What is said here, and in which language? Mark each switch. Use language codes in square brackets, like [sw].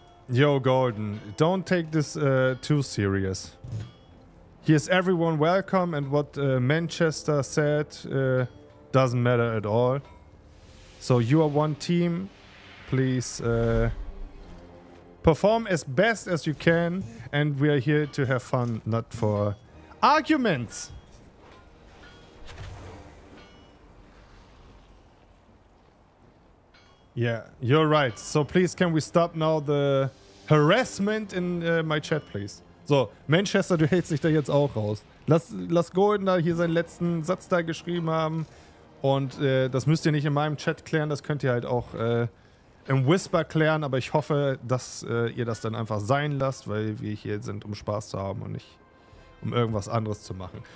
[en] Yo, Golden, don't take this too serious. He is everyone welcome and what Manchester said doesn't matter at all. So you are one team. Please perform as best as you can and we are here to have fun, not for arguments. Yeah, you're right. So please, can we stop now the harassment in my chat, please. [de] So, Manchester, du hältst dich da jetzt auch raus. Lass Golden da hier seinen letzten Satz da geschrieben haben. Und das müsst ihr nicht in meinem Chat klären. Das könnt ihr halt auch im Whisper klären. Aber ich hoffe, dass ihr das dann einfach sein lasst, weil wir hier sind, um Spaß zu haben und nicht um irgendwas anderes zu machen.